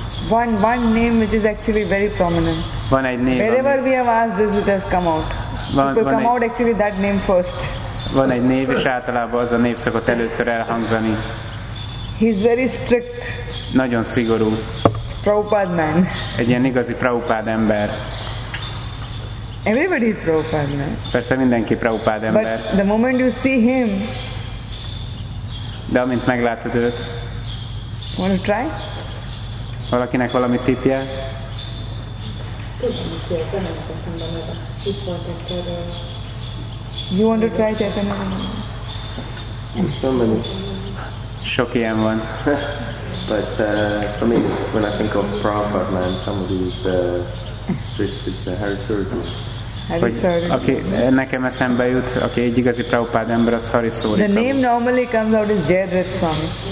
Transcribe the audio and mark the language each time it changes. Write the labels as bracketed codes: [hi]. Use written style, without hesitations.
[en] One name which is actually very prominent. [hu] Van egy név. [en] Wherever we have asked this, it has come out. People come out actually that name first. [hu] Van egy név, és általában az a név szokott először elhangzani. [en] He's very strict. [hu] Nagyon szigorú. [en] Prabhupada man. [hu] Egy ilyen igazi Prabhupada ember. [en] Everybody is Prabhupada man. [hu] Persze mindenki Prabhupada ember. [en] But the moment you see him. [hu] De amint meglátod őt. [en] Want to try? [hu] Valakinek valami tippje? [en] You want to try Chaitanya? So many. [hu] Sok ilyen van. [en] But for me, when I think of Prabhupada, man, somebody who's strict is Hari Suri. [hu] Aki nekem eszembe jut, aki egy igazi Prabhupada ember, az Hari Suri. [en] The name normally comes out is Jayadrath Swami.